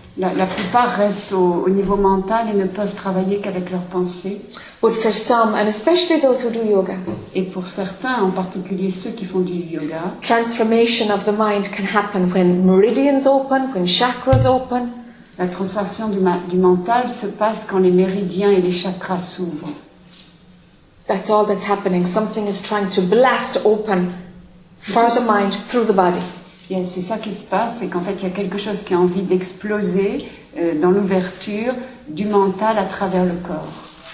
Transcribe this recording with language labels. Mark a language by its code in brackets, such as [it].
[fr] La plupart restent au niveau mental et ne peuvent travailler qu'avec leurs pensées. [en] But for some, and especially those who do yoga, [fr] et pour certains, en particulier ceux qui font du yoga, [en] transformation of the mind can happen when meridians open, when chakras open. [fr] La transformation du mental se passe quand les méridiens et les chakras s'ouvrent. [en] That's all that's happening. Something is trying to blast open for the mind through the body. [fr] Yeah, c'est ça qui se passe, c'est qu'en fait il y a quelque chose qui a envie d'exploser dans l'ouverture du mental à travers le corps.